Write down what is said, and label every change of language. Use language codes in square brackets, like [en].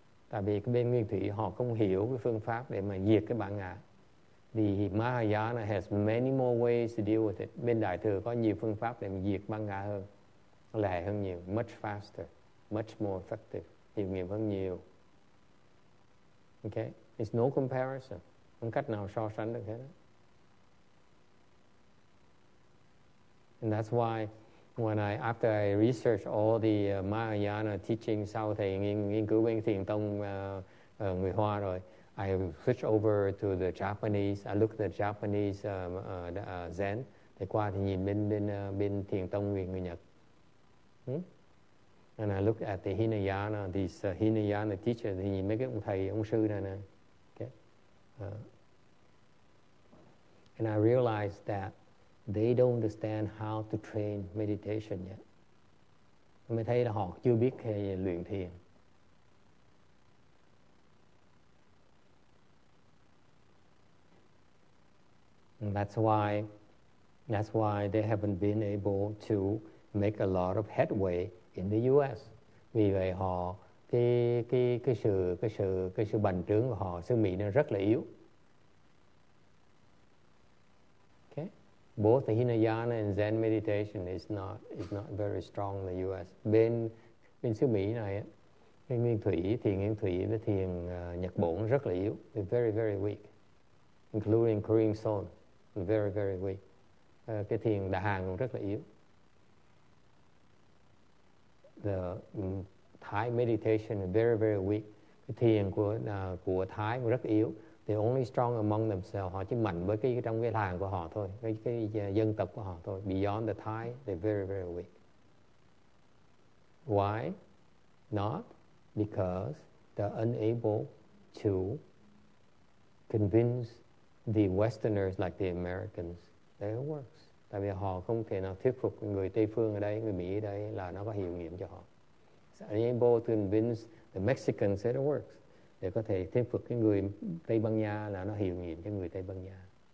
[vi] Tại vì bên Nguyên Thủy họ không hiểu cái phương pháp để mà diệt cái bản ngã. [en] The Mahayana has many more ways to deal with it. [vi] Bên Đại Thừa có nhiều phương pháp để mà diệt bản ngã hơn. Lẹ hơn nhiều, [en] much faster, much more effective, [vi] hiệu nghiệm hơn nhiều. [en] Okay, it's no comparison. [vi] Không cách nào so sánh được hết. [en] And that's why when after I research all the Mahayana teachings [vi] sau thầy nghiên cứu bên Thiền Tông người Hoa rồi, [en] I switch over to the Japanese. I look at the Japanese Zen. [vi] Thì qua thì nhìn bên Thiền Tông người Nhật. [en] And I look at the Hinayana, these Hinayana teachers, [vi] thì nhìn mấy cái ông thầy, ông sư này nè. [en] Okay. And I realize that they don't understand how to train meditation yet. [vi] Mới thấy là họ chưa biết hay luyện thiền. [en] And that's why they haven't been able to make a lot of headway in the U.S. [vi] Vì vậy họ cái sự bành trướng của họ xứ Mỹ nó rất là yếu. [en] Okay, both the Hinayana and Zen meditation is not very strong in the U.S. [vi] Bên xứ Mỹ này, cái Nguyên Thủy với thiền Nhật Bản rất là yếu. [en] They're very very weak, including Korean Zone, very very weak. [vi] Cái thiền Đà Hàng cũng rất là yếu. [en] The Thai meditation is very, very weak. [vi] Cái thiền của Thái cũng rất yếu. [en] They're only strong among themselves. [vi] Họ chỉ mạnh với trong cái làng của họ thôi, cái dân tộc của họ thôi. [en] Beyond the Thai, they're very, very weak. Why? Not because they're unable to convince the Westerners like the Americans that it works. [vi] Tại vì họ không thể nào thuyết phục người Tây Phương ở đây, người Mỹ ở đây là nó có hiệu nghiệm cho họ. [en] They're able to convince the Mexicans that it works. [vi] Để có thể thuyết phục cái người Tây Ban Nha là nó hiệu nghiệm cho người Tây Ban Nha.